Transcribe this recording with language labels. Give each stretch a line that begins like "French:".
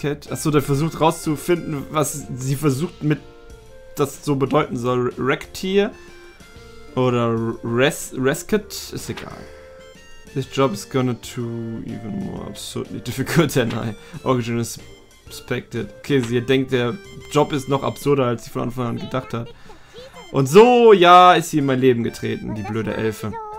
German: Achso, der versucht rauszufinden, was sie versucht mit das so bedeuten soll. Rectier. Oder Resket. Ist egal.
English: This job is gonna to even more absurdly difficult than I originally expected.
German: Okay, sie denkt, der Job ist noch absurder, als sie von Anfang an gedacht hat. Und so, ja, ist sie in mein Leben getreten, die blöde Elfe.